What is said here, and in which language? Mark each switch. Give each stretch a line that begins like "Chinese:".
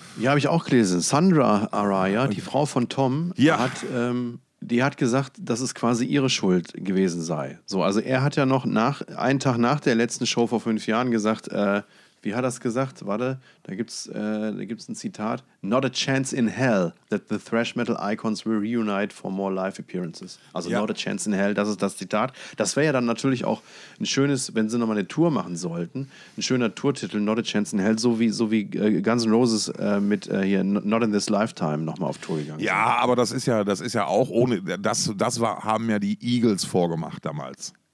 German: Ja, habe ich auch gelesen. Sandra Araya, die Frau von Tom, hat gesagt, dass es quasi ihre Schuld gewesen sei. So, also er hat ja noch einen Tag nach der letzten Show vor 5 Jahren gesagt, wie hat er es gesagt? Warte, da gibt's ein Zitat.
English: Not a chance in hell that the thrash metal icons will reunite for more live appearances.
German: Also ja.
English: Not a chance in hell,
German: das ist das Zitat. Das wäre ja dann natürlich auch ein schönes, wenn sie nochmal eine Tour machen sollten, ein schöner Tourtitel, Not a chance in hell, so wie Guns N' Roses mit Not in this lifetime nochmal auf Tour gegangen sind. Ja, aber das ist ja auch ohne, haben ja die Eagles vorgemacht damals.